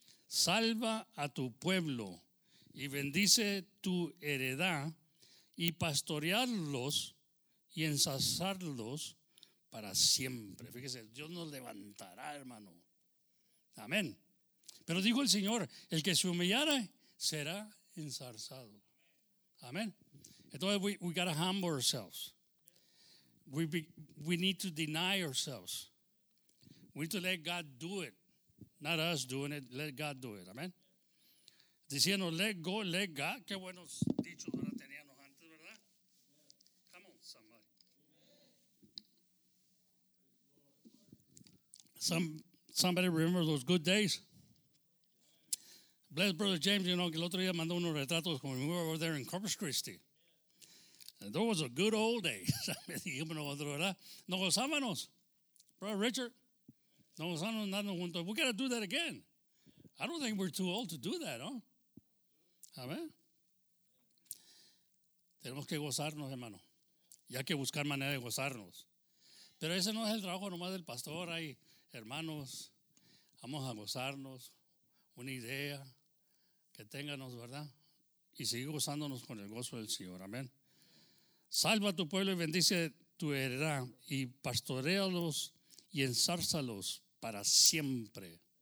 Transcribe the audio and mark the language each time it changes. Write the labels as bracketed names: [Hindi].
[Spanish] Salva a tu pueblo y bendice tu heredad y pastorearlos y ensalzarlos para siempre. Fíjese, Dios nos levantará, hermano. Amén. Pero dijo el Señor, el que se humillare será ensalzado. Amén. [English] Entonces, we got to humble ourselves. We need to deny ourselves. We need to let God do it. Not us doing it, let God do it. [Spanish] Amén. Diciendo, [English] let go, let God. [Spanish] Qué buenos dichos ahora teníamos antes, ¿verdad? [English] Come on, somebody. Somebody remember those good days? Bless Brother James, you know, [Spanish] que el otro día mandó unos retratos [English] when we were over there in Corpus Christi. And those were good old days. [Spanish] Me dijimos nosotros, ¿verdad? Nos gozámonos, Brother Richard. Nos gozámonos andando juntos. [English] We got to do that again. I don't think we're too old to do that, ¿no? [Spanish] Amén. Tenemos que gozarnos, hermano. Y hay que buscar manera de gozarnos. Pero ese no es el trabajo nomás del pastor ahí. Hermanos, vamos a gozarnos, una idea que tengamos, ¿verdad? Y sigue gozándonos con el gozo del Señor, amén. Salva a tu pueblo y bendice tu heredad y pastorealos y ensárzalos para siempre.